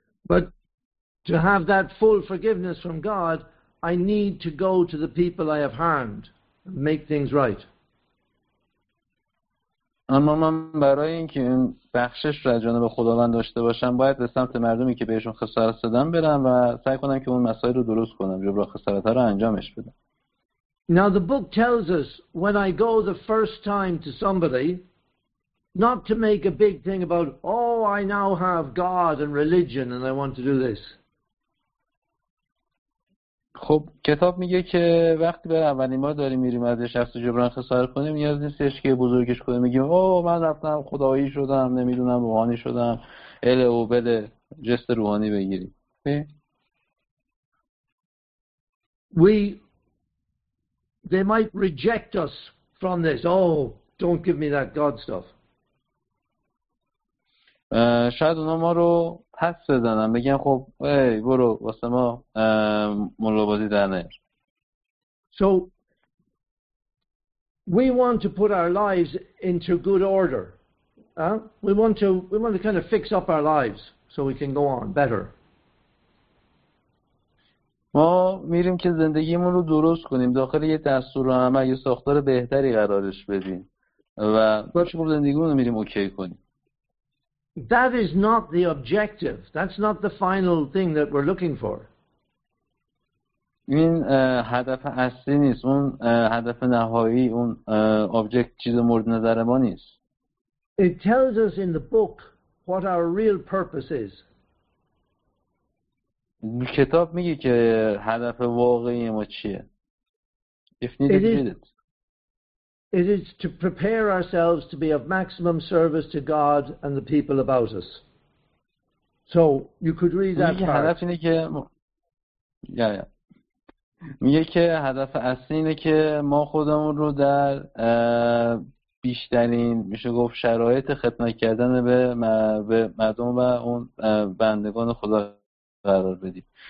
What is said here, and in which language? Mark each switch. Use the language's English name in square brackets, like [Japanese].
[English] But to have that full forgiveness from God, I need to go to the people I have harmed and make things right. [Persian] اما من برای اینکه این بخشش را از جانب خداوند داشته باشم باید به سمت مردمی که بهشون خسارت زدم برم و سعی کنم که اون مسائل رو درست کنم، جبران خسارت ها رو انجامش بدم. [English] Now the book tells us when I go the first time to somebody not to make a big thing about oh I now have God and religion and I want to do this. [Persian] خب کتاب میگه که وقتی به اولین بار داریم میریم از شخص جبران خسارت کنیم نیاز نیستش که بزرگش کنیم میگیم او من رفتم خدایی شدم نمیدونم روحانی شدم ال او بل جست روحانی بگیریم. [English] They might reject us from this. Oh, don't give me that God stuff. [Persian] شاید اونا ما رو پس بزنن بگن خب ای برو واسه ما ملابازی در نیار. [English] So we want to put our lives into good order. We want to kind of fix up our lives so we can go on better. [Persian] ما میریم که زندگیمون رو درست کنیم داخل یه دستور و عمل یه ساختار بهتری قرارش بدیم و باشه خب زندگیمون رو میریم اوکی کنیم. [English] That is not the objective. That's not the final thing that we're looking for. [Persian] این هدف اصلی نیست. اون هدف نهایی، اون object چیز مورد نظر ما نیست. [English] It tells us in the book what our real purpose is. [Persian] کتاب میگه که هدف واقعی ما چیه. [English] If needed, read it. It is to prepare ourselves to be of maximum service to God and the people about us. So you could read that part. [Persian] هدف اینه که یا میگه که هدف اصلی اینه که ما خودمون رو در بیشترین میشه گفت شرایط خدمت کردن به مردم و اون بندگان خدا قرار بدیم.